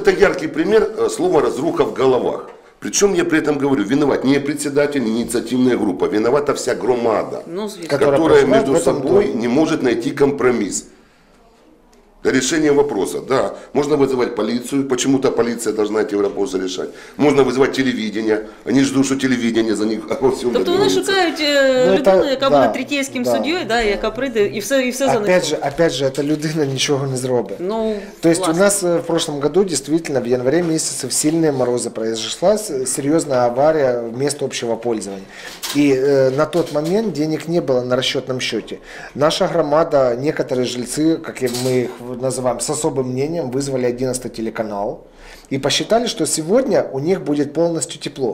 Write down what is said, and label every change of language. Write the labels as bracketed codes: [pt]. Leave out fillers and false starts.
[ru] Вот это яркий пример слова «разруха в головах». Причем я при этом говорю, виноват не председатель, не инициативная группа, виновата вся громада, которая между собой не может найти компромисс для решения вопроса. Да, можно вызывать полицию, почему-то полиция должна эти вопросы решать. Можно вызывать телевидение, они ждут, что телевидение за них во всем договорится. [uk] Тобто вони шукають людину, яка буде [ru] третейским судьей, [uk] да, яка прийде и все за них. [ru] Опять же, эта людина ничего не сделает. Ну, то есть у нас в прошлом году действительно в январе месяце в сильные морозы произошла серьезная авария в место общего пользования. И на тот момент денег не было на расчетном счете. Наша громада, некоторые жильцы, как мы их называем, с особым мнением, вызвали 11 телеканал и посчитали, что сегодня у них будет полностью тепло.